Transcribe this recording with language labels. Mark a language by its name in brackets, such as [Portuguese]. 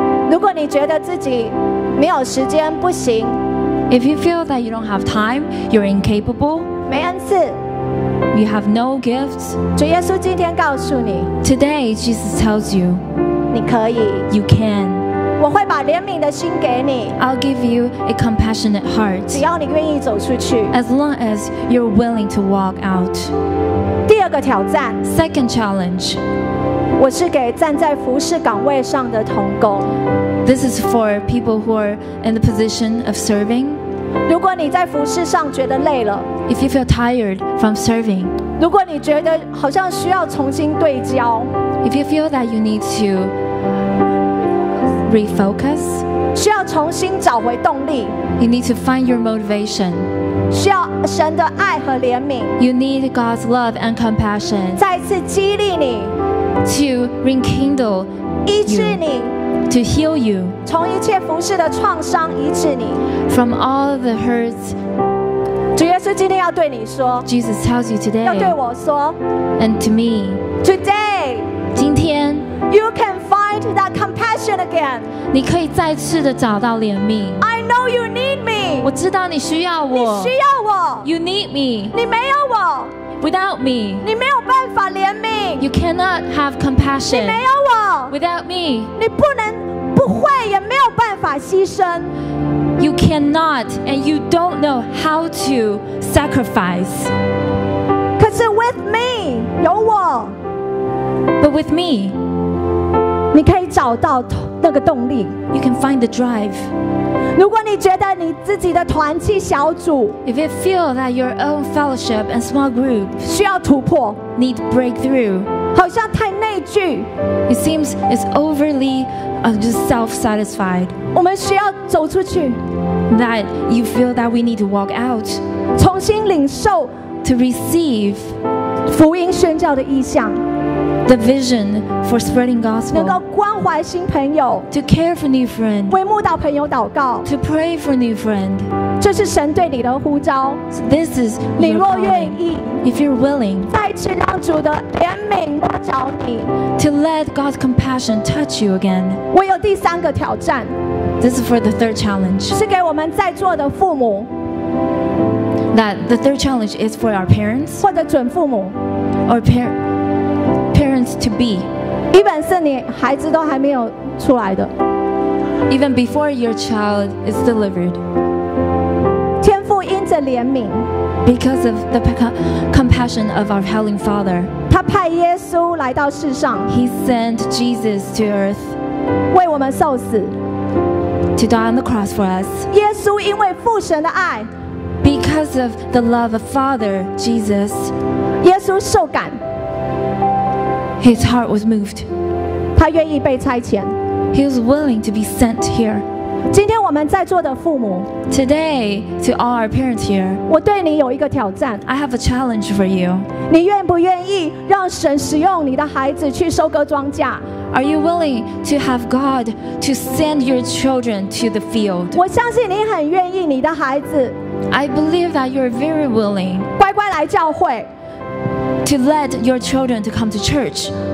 [Chinese] 如果你觉得自己没有时间不行。 [English] If you feel that you don't have time, you're incapable. [Chinese] 没恩赐。 [English] You have no gifts. [Chinese] 主耶稣今天告诉你。 [English] Today, Jesus tells you. [Chinese] 你可以。 [English] You can. [Chinese] 我会把怜悯的心给你。 [English] I'll give you a compassionate heart. [Chinese] 只要你愿意走出去。 [English] As long as you're willing to walk out. [Chinese] 第二个挑战。 [English] Second challenge. [Chinese] 我是给站在服事岗位上的同工。 [English] This is for people who are in the position of serving. [Chinese] 如果你在服事上觉得累了。 [English] If you feel tired from serving. [Chinese] 如果你觉得好像需要重新对焦。 [English] If you feel that you need to. Refocus. [Chinese] 需要重新找回动力。 [English] You need to find your motivation. [Chinese] 需要神的爱和怜悯。 [English] You need God's love and compassion. [Chinese] 再次激励你。 [English] To rekindle. [Chinese] 医治你。 [English] To heal you. [Chinese] 从一切服事的创伤医治你。 [English] From all the hurts. [Chinese] 主耶稣今天要对你说。 [English] Jesus tells you today. [Chinese] 要对我说。 [English] And to me. Today. [Chinese] 今天。 [English] You can find that compassion again. [Chinese] 你可以再次的找到怜悯。 [English] I know you need me. [Chinese] 我知道你需要我。你需要我。 [English] You need me. [Chinese] 你没有我。 [English] Without me. [Chinese] 你没有办法怜悯。 [English] You cannot have compassion. [Chinese] 你没有我。 [English] Without me. [Chinese] 你不能不会也没有办法牺牲。 [English] You cannot and you don't know how to sacrifice. [Chinese] 可是 [English] with me, [Chinese] 有我。 [English] But with me. [Chinese] 你可以找到那个动力。 [English] You can find the drive. [Chinese] 如果你觉得你自己的团契小组 [English] ，If you feel that your own fellowship and small group [Chinese] 需要突破 [English] ，need breakthrough， [Chinese] 好像太内聚 [English] ，It seems it's overly just self-satisfied. [Chinese] 我们需要走出去 [English] ，That you feel that we need to walk out， [Chinese] 重新领受 [English] ，to receive [Chinese] 福音宣教的意向。 [English] The vision for spreading gospel. [Chinese] 能够关怀新朋友。 [English] To care for new friend. [Chinese] 为慕道朋友祷告。 [English] To pray for new friend. [Chinese] 这是神对你的呼召。 [English] So、this is your calling. [Chinese] 你若愿意。 [English] If you're willing. [Chinese] 再次让主的怜悯摸着你。 [English] To let God's compassion touch you again. [Chinese] 我有第三个挑战。 [English] This is for the third challenge. [Chinese] 是给我们在座的父母。 [English] That the third challenge is for our parents. [Chinese] 或者准父母。 [English] Or parents. To be. [Chinese] 一般是你孩子都还没有出来的。 [English] Even before your child is delivered. [Chinese] 天父因着怜悯。 [English] Because of the compassion of our Heavenly Father. [Chinese] 他派耶稣来到世上。 [English] He sent Jesus to earth. [Chinese] 为我们受死。 [English] To die on the cross for us. [Chinese] 耶稣因为父神的爱。 [English] Because of the love of Father, Jesus. [Chinese] 耶稣受感。 [English] His heart was moved. [Chinese] 他愿意被差遣。 [English] He was willing to be sent here. [Chinese] 今天我们在座的父母。 [English] Today, to all our parents here. [Chinese] 我对你有一个挑战。 [English] I have a challenge for you. [Chinese] 你愿不愿意让神使用你的孩子去收割庄稼？ [English] Are you willing to have God to send your children to the field? [Chinese] 我相信你很愿意你的孩子。 [English] I believe that you're very willing. [Chinese] 乖乖来教会。 [English] To let your children to come to church,